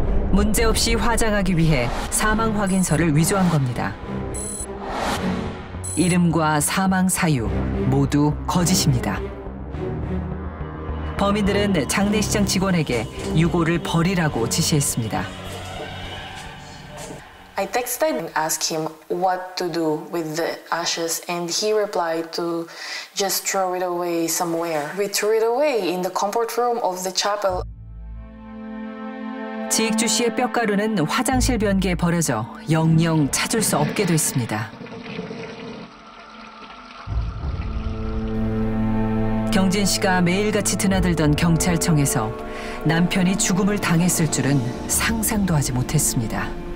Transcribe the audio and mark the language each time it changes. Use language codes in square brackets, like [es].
[ko] 문제 없이 화장하기 위해 사망 확인서를 위조한 겁니다. 이름과 사망 사유 모두 거짓입니다. 범인들은 장례식장 직원에게 유골을 버리라고 지시했습니다. [en] I texted and asked him what to do with the ashes, and he replied to just throw it away somewhere. We threw it away in the comfort room of the chapel. [ko] 지익주 씨의 뼈가루는 화장실 변기에 버려져 영영 찾을 수 없게 됐습니다. 경진 씨가 매일같이 드나들던 경찰청에서 남편이 죽음을 당했을 줄은 상상도 하지 못했습니다.